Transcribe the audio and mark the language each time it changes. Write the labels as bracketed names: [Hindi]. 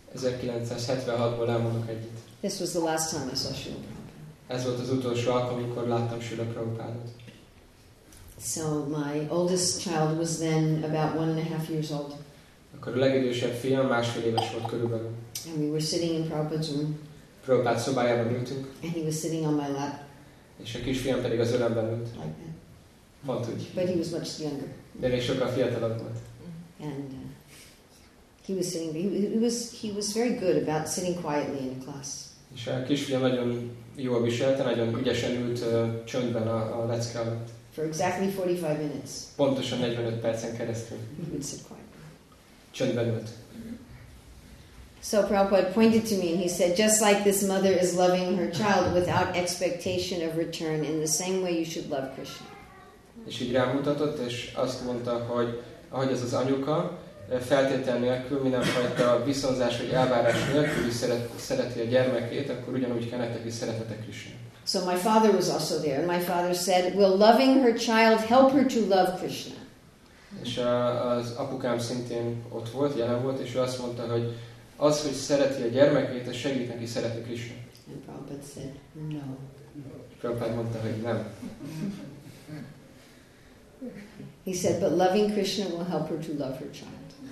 [English] This was the last time I saw Srila Prabhupada. [Hungarian] Ez volt az utolsó alkalom, amikor láttam Srila Prabhupádot. [English] So my oldest child was then about 1.5 years old. [Hungarian] Akkor a legidősebb fiam másfél éves volt körülbelül. [English] And we were sitting in Prabhupada's room. [Hungarian] Prabhupád szobájában ültünk. [English] And he was sitting on my lap. [Hungarian] És a kisfiam pedig az ölemben ült. Mondt úgy. [English] But he was much younger. [Hungarian] De még sokkal fiatalabb volt. [English] And he was sitting. He was very good about sitting quietly in a class. [Hungarian] És a kisfiam nagyon jól viselte, nagyon ügyesen ült csöndben a lecke alatt. [English] For exactly 45 minutes. [Hungarian] Pontosan 45 percen keresztül. [English] He would sit quietly. [Hungarian] Csöndben ült. [English] So Prabhupada pointed to me and he said, just like this mother is loving her child without expectation of return, in the same way you should love Krishna. [Hungarian] És így rámutatott, és azt mondta, hogy ahogy ez az anyuka, feltétel nélkül, mindenfajta viszonzás vagy elvárás nélkül is szereti a gyermekét, akkor ugyanúgy kell nektek is szeretetek is. [English] So my father was also there, and my father said, will loving her child help her to love Krishna? [Hungarian] És az apukám szintén ott volt, jelen volt, és ő azt mondta, hogy az, hogy szereti a gyermekét, az segít neki szeretni Krishna. [English] And Prabhupada said, no. [Hungarian] Prabhupada mondta, hogy nem. [English] He said, but loving Krishna will help her to love her child.